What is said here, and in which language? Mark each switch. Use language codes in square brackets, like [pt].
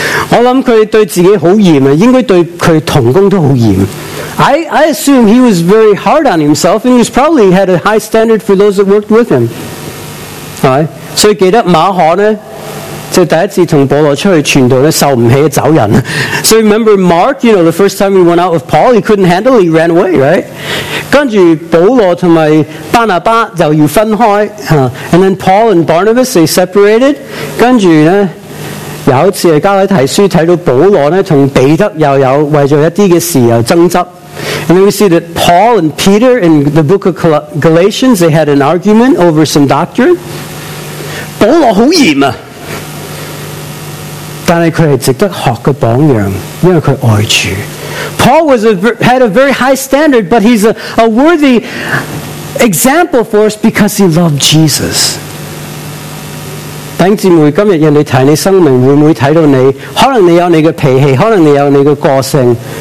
[yue] 我想他对自己很严，应该对他同工都很严。 [en] I assume he was very hard on himself, and he was probably had a high standard for those that worked with him. [yue] 所以记得马可呢就第一次同保罗出去传道咧，受唔起走人。 [en] So remember Mark, you know, the first time he went out with Paul, he couldn't handle, he ran away, right? [yue] 跟住保罗同埋巴拿巴就要分开， [en] and then Paul and Barnabas they separated. [yue] 跟住咧，有一次喺加拉提书睇到保罗咧同彼得又有为咗一啲嘅事又争执。 [en] And then we see that Paul and Peter in the book of Galatians, they had an argument over some doctrine. [yue] 保罗好严啊，但系佢系值得学嘅榜样，因为佢爱主。 [en] Paul was had a very high standard, but he's a worthy example for us because he loved Jesus. [yue] 弟兄姊妹，今日人哋睇你生命，会唔会睇到你？可能你有你嘅脾气，可能你有你嘅个性。